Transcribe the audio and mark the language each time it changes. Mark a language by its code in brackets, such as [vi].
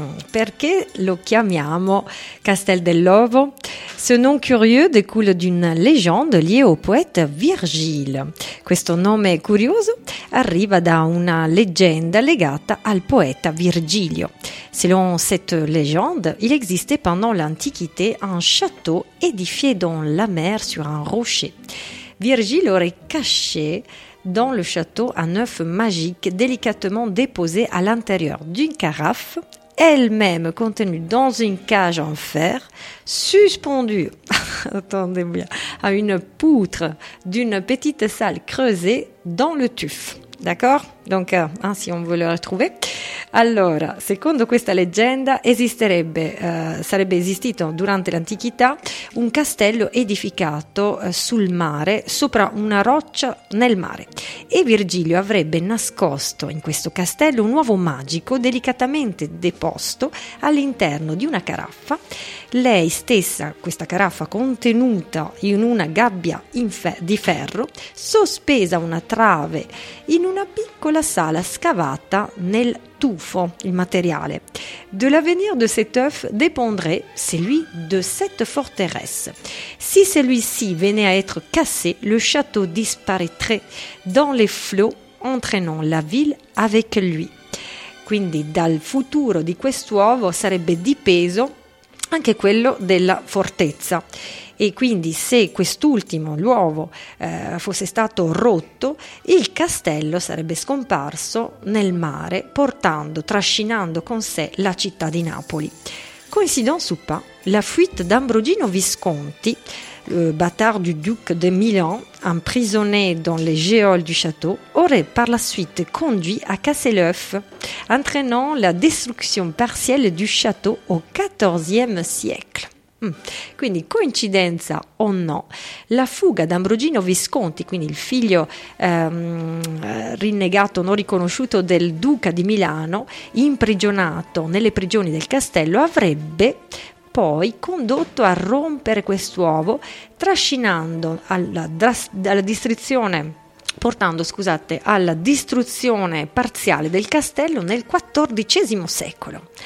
[it] Perché lo chiamiamo Castel dell'Ovo? [fr] Ce nom curieux découle d'une leggenda liée au poète Virgile. [it] Questo nome curioso arriva da una leggenda legata al poeta Virgilio. [fr] Selon cette légende, il existait pendant l'Antiquité un château édifié dans la mer sur un rocher. Virgile aurait caché dans le château un œuf magique délicatement déposé à l'intérieur d'une carafe, elle-même contenue dans une cage en fer, suspendue, attendez bien, à une poutre d'une petite salle creusée dans le tuf. D'accord? Donc, si on veut le retrouver. [it] Allora, secondo questa leggenda, sarebbe esistito durante l'antichità un castello edificato sul mare, sopra una roccia nel mare. E Virgilio avrebbe nascosto in questo castello un uovo magico delicatamente deposto all'interno di una caraffa. Lei stessa, questa caraffa contenuta in una gabbia di ferro, sospesa a una trave in una piccola sala scavata nel tufo, il materiale. [fr] De l'avenir de cet œuf dépendrait celui de cette forteresse. Si celui-ci venait à être cassé, le château disparaîtrait dans les flots, entraînant la ville avec lui. [it] Quindi dal futuro di quest'uovo sarebbe dipeso anche quello della fortezza. E quindi se quest'ultimo, l'uovo, fosse stato rotto, il castello sarebbe scomparso nel mare, trascinando con sé la città di Napoli. [fr] Coïncidence ou pas, la fuite d'Ambrogino Visconti, le bâtard du duc de Milan, emprisonné dans les geôles du château, aurait par la suite conduit à casser l'œuf, entraînant la destruction partielle du château au XIVe siècle. [it] Quindi coincidenza o no, la fuga d'Ambrogino Visconti, quindi il figlio rinnegato non riconosciuto del duca di Milano, imprigionato nelle prigioni del castello, avrebbe poi condotto a rompere quest'uovo, portando alla distruzione parziale del castello nel XIV secolo.